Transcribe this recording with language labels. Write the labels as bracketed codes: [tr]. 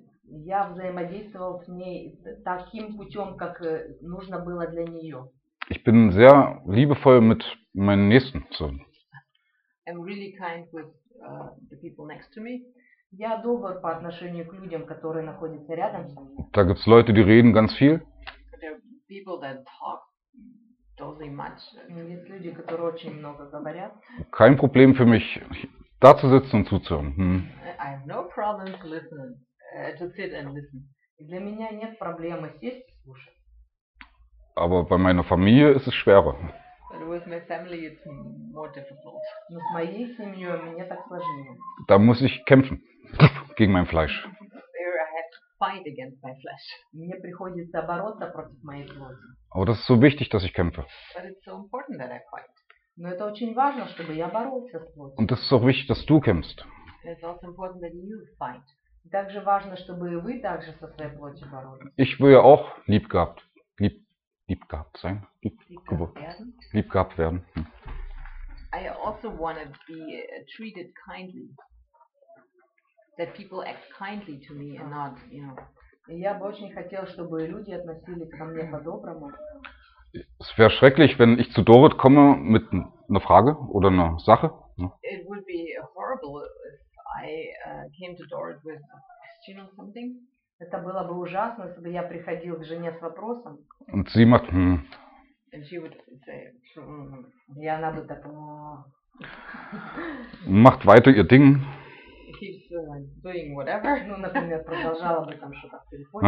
[ru] Я взаимодействовал с ней таким путем, как нужно было для нее. [de] Ich bin sehr liebevoll mit meinen Nächsten. So. [en] I'm really kind with the people next to me. [ru] Я добр по отношению к людям, которые находятся рядом со мной. [de] Da gibt's Leute, die reden ganz viel. [en] There are people that talk totally much. [ru] Есть люди, которые очень много говорят. [de] Kein Problem für mich, da zu sitzen und zuzuhören. [en] I have no problem to listen. To sit and listen. [ru] Для меня нет проблемы сесть и слушать. [de] Aber bei meiner Familie ist es schwerer. [en] But with my family it's more difficult. [ru] Но с моей семьей мне так сложнее. [de] Da muss ich kämpfen gegen mein Fleisch. [en] There I have to fight against my flesh. [ru] Мне приходится бороться против моей плоти. [de] Aber das ist so wichtig, dass ich kämpfe. [en] But it's so important that I fight. [ru] Но это очень важно, чтобы я боролся с плотью. [de] Und das ist auch wichtig, dass du kämpfst. [en] It's also important that you fight. [ru] Также важно, чтобы и вы также со своей плотью боролись. [de] Ich will ja auch lieb gehabt. Lieb gehabt sein. Lieb gehabt werden. [en] I also want to be treated kindly. That people act kindly to me and not, you know. [ru] Я бы очень хотел, чтобы люди относились ко мне по-доброму. [de] Es wäre schrecklich, wenn ich zu Dorit komme mit einer Frage oder einer Sache. [en] It would be horrible. I came to Dorit with a question or something. [ru] Это было бы ужасно, если бы я приходил к жене с вопросом. [de] Und sie macht, [en] And she would say, [ru] И она бы так, [de] Macht weiter ihr Ding. [ru] И [en] keeps doing whatever. [ru] Ну, например, продолжала бы там что-то в телефоне.